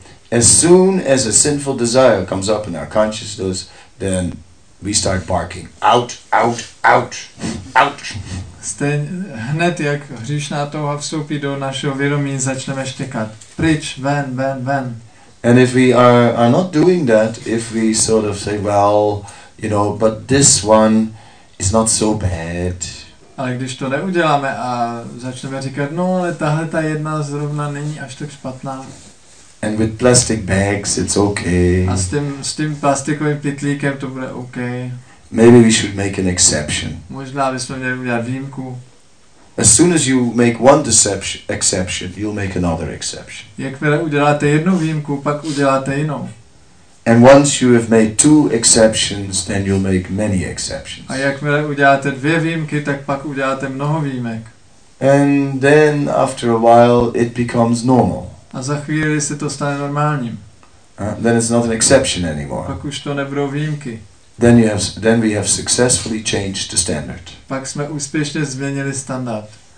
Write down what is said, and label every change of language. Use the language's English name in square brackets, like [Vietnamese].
[English] As soon as a sinful desire comes up in our consciousness, then we start barking. Out, out, out, out. [Czech] Stejně, hned jak hříšná touha vstoupí do našeho vědomí, začneme štěkat. Pryč, ven, ven, ven. [English] And if we are not doing that, if we sort of say, well, you know, but this one is not so bad. [Czech] Ale když to neuděláme a začneme říkat, no, ale tahle ta jedna zrovna není až tak špatná. [English] And with plastic bags, it's okay. [Czech] A s tím plastikovým pytlíkem to bude okay. [English] Maybe we should make an exception. [Czech] Možná bychom měli udělat výjimku. [English] As soon as you make one exception, you'll make another exception. [Czech] Jakmile uděláte jednu výjimku, pak uděláte jinou. [English] And once you have made two exceptions, then you'll make many exceptions. [Czech] A jakmile uděláte dvě výjimky, tak pak uděláte mnoho výjimek. [English] And then after a while it becomes normal. [Czech] A za chvíli se to stane normálním. [English] Then it's not an exception anymore. [Czech] Pak už to nebudou výjimky. [English] Then we have successfully changed the standard. [Czech] Pak jsme úspěšně změnili standard.